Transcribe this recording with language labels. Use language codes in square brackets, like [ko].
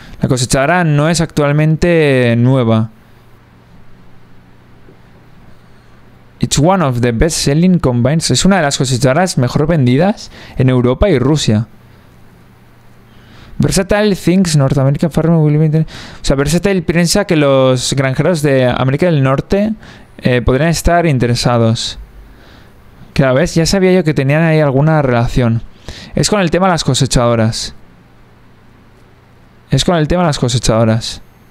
[es] La cosechadora no es actualmente nueva. [en] It's one of the best selling combines. [es] Es una de las cosechadoras mejor vendidas en Europa y Rusia. [en] Versatile thinks North American farmer will be... [es] O sea, Versatile piensa que los granjeros de América del Norte podrían estar interesados. Claro, ¿ves? Ya sabía yo que tenían ahí alguna relación. Es con el tema de las cosechadoras. Es con el tema de las cosechadoras.